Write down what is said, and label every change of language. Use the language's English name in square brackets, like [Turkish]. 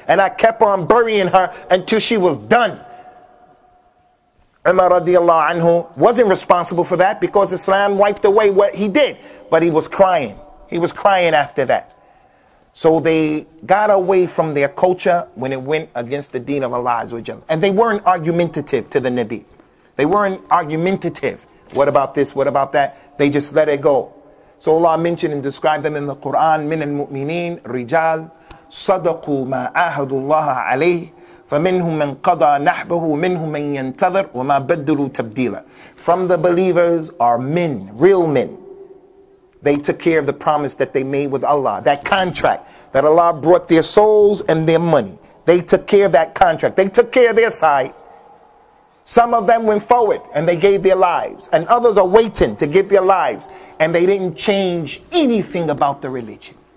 [English] And I kept on burying her until she was done. Umar radiallahu anhu wasn't responsible for that, because Islam wiped away what he did. But he was crying. He was crying after that. So they got away from their culture when it went against the deen of Allah Azza wa Jalla. And they weren't argumentative to the Nabi. They weren't argumentative. What about this? What about that? They just let it go. So Allah mentioned and described them in the Quran, [Arabic] مِنَ الْمُؤْمِنِينَ رِجَالْ صَدَقُوا مَا أَهَدُ اللَّهَ عَلَيْهِ فَمِنْهُمْ مَنْ قَضَى نَحْبَهُ مِنْهُمْ مَنْ يَنْتَظَرْ وَمَا بَدُّلُوا تَبْدِيلًا. [English] From the believers are men, real men. They took care of the promise that they made with Allah, that contract that Allah brought their souls and their money. They took care of that contract. They took care of their side. Some of them went forward and they gave their lives, and others are waiting to give their lives, and they didn't change anything about the religion.